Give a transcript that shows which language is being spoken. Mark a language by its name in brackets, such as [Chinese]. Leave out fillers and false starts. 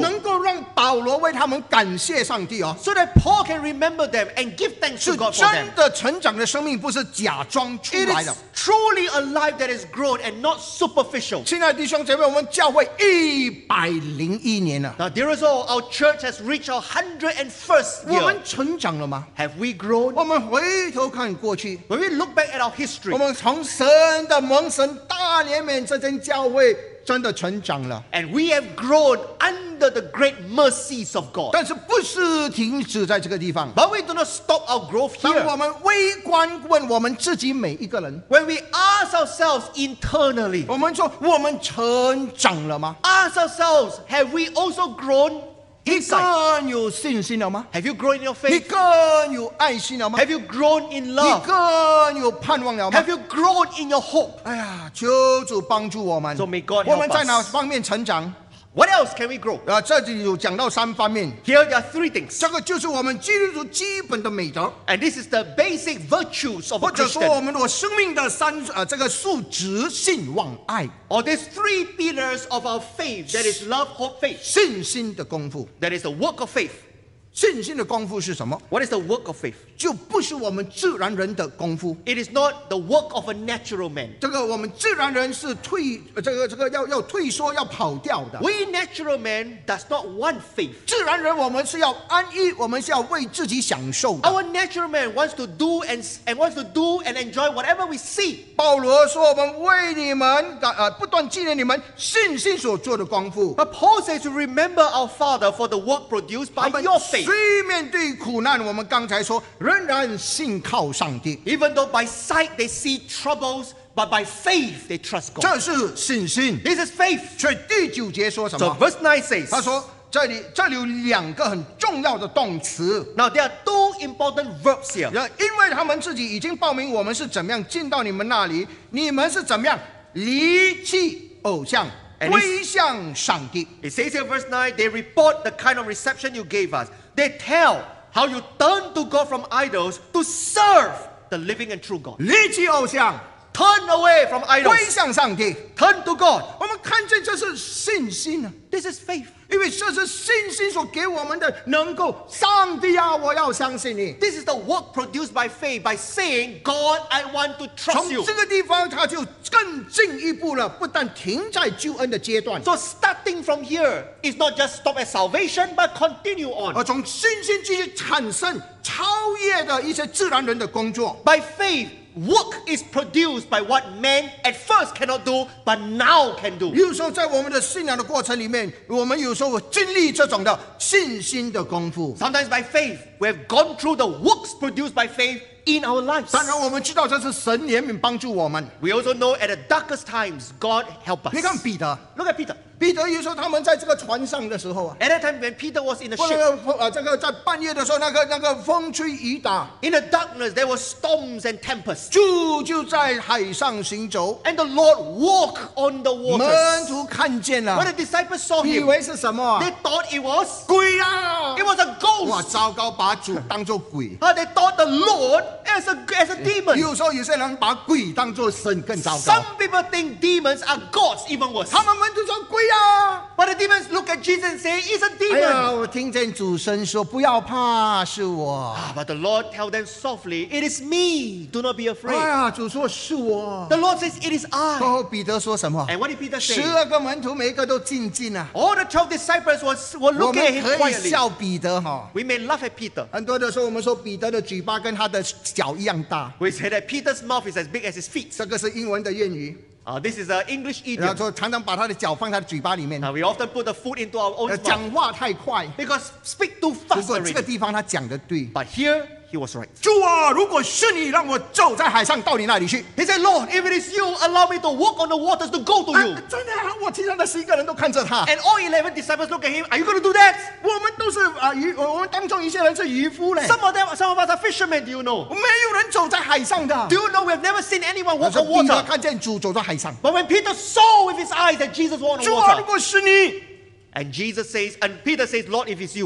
[Chinese] 能够让保罗为他们感谢上帝哦。 [English] So that Paul can remember them and give thanks to God for them. [Chinese] 是真的成长的生命不是假装出来的。 [English] It is truly a life that is grown and not superficial. [Chinese] 亲爱的弟兄姐妹我们教会101年了。 [English] Now, dear as all, our church has reached 100And first year, [Chinese] 我们成长了吗 [English] ？Have we grown？ [Chinese] 我们回头看过去 [English] ，When we look back at our history， [Chinese] 我们从神的蒙神大怜悯这间教会真的成长了。 [English] And we have grown under the great mercies of God。 [Chinese] 但是不是停止在这个地方 [English] ？But we do not stop our growth here。 [Chinese] 当我们微观问我们自己每一个人 [English] ，When we ask ourselves internally， [Chinese] 我们说我们成长了吗 [English] ？Ask ourselves， have we also grown？ [Chinese] 你更有信心了吗 [English] ？Have you grown in your faith？ [Chinese] 你更有爱心了吗 [English] ？Have you grown in love？ [Chinese] 你更有盼望了吗 [English] ？Have you grown in your hope？ [Chinese] 哎呀，求主帮助我们。 [English] So may God help us. [Chinese] 我们在哪方面成长 [English] ？What else can we grow？ [Chinese] 这里有讲到三方面。 [English] Here there are three things. [Chinese] 这个就是我们基督徒基本的美德。 [English] And this is the basic virtues of a Christian. [Chinese] 或者说我们的生命的三这个素质信望爱。 [English] Or these three pillars of our faith, that is love, hope, faith. [Chinese] 信心的功夫。 [English] That is the work of faith. [Chinese] 信心的功夫是什么 [English] ？What is the work of faith? [Chinese] 就不是我们自然人的功夫。 [English] It is not the work of a natural man. [Chinese] 这个我们自然人是退，这个要退缩，要跑掉的。 [English] We natural man does not want faith. [Chinese] 自然人我们是要安逸，我们是要为自己享受的。 [English] Our natural man wants to do and wants to do and enjoy whatever we see. [Chinese] 保罗说：“我们为你们不断纪念你们信心所做的功夫。” [English] But Paul says to remember our Father for the work produced by your faith. [Chinese] 虽面对苦难，我们刚才说仍然信靠上帝。 [English] Even though by sight they see troubles, but by faith they trust God. [Chinese] 这是信心。 [English] This is faith. [Chinese] 所以第九节说什么 [English] ？So verse 9 says. [Chinese] 他说这里有两个很重要的动词。 [English] Now there are two important verbs here. [Chinese] 因为他们自己已经报名，我们是怎么样进到你们那里，你们是怎么样离弃偶像。 [English] It says here, verse 9, they report the kind of reception you gave us. They tell how you turned to God from idols to serve the living and true God. [Chinese] 离弃偶像 [English] Turn away from idols. [Chinese] 归向上帝 [English] Turn to God. [Chinese] 我们看见这是信心啊 [English] This is faith. [Chinese] 因为这是信心所给我们的能够上帝啊我要相信你 [English] This is the work produced by faith, by saying, God, I want to trust you. [Chinese] 从这个地方他就更进一步了不但停在救恩的阶段 [English] So starting from here is not just stop at salvation but continue on [Chinese] 而从信心继续产生超越的一些自然人的工作 [English] By faith work is produced by what man at first cannot do but now can do [Chinese] 有时候在我们的信仰的过程里面我们有时候经历这种的信心的功夫 [English] Sometimes by faith we have gone through the works produced by faithin our lives [Chinese] 当然我们知道这是神怜悯帮助我们 [English] we also know at the darkest times God help us [Chinese] 你看彼得 [English] look at Peter [Chinese] 彼得有时候他们在这个船上的时候 [English] at that time when Peter was in the ship [Chinese] 在半夜的时候那个风吹雨打 [English] in the darkness there were storms and tempests [Chinese] 就在海上行走 [English] and the Lord walked on the waters [Chinese] 门徒看见了 [English] when the disciples saw him [Chinese] 以为是什么 [English] they thought it was [Chinese] 鬼啊 [English] it was a ghost [Chinese] 哇糟糕把主当作鬼 [English] they thought the LordAs a demon. [Chinese] 有时候有些人把鬼当作神更糟糕。 [English] Some people think demons are gods even worse. [Chinese] 他们门徒说鬼啊。 [English] But the demons look at Jesus and say, it's a demon. [Chinese] 哎呀，我听见主声说不要怕，是我。 [English] But the Lord tell them softly, it is me, do not be afraid. [Chinese] 哎呀，主说是我。 [English] The Lord says, it is I. [Chinese] 然后彼得说什么？ [English] And what did Peter say? [Chinese] 十二个门徒每一个都静静啊。 [English] All the 12 disciples were looking at him quietly. [Chinese] 我们可以笑彼得哈。 [English] We may laugh at Peter. [Chinese] 很多的时候我们说彼得的嘴巴跟他的脚一样大。 [English] We say that Peter's mouth is as big as his feet. [Chinese] 这个是英文的谚语。 [English] This is an English idiom. [Chinese] 然后常常把他的脚放在嘴巴里面。 [English] We often put the food into our own mouth. [Chinese] 讲话太快。 [English] Because speak too fast. [Chinese] 不过这个地方他讲的对。 [English] But here he was right. [Chinese] 主啊，如果是你，让我走在海上到你那里去。 [English] He said, Lord, if it is you, allow me to walk on the waters to go to you. [Chinese] 真的啊，我其他的十一个人都看着他。 [English] And all 11 disciples look at him. Are you going to do that? [Chinese] 我们都是我们当中一些人是渔夫嘞。 [English] Some of us are fishermen. Do you know? [Chinese] 没有人走在海上的。 [English] Do you know we've never seen anyone walk on water? [Chinese] 彼得看见主走在海上。 [English] But when Peter saw with his eyes that Jesus walked on the water. [Chinese] 主啊，如果是你。 [English] And Jesus says, and Peter says, Lord, if it's you,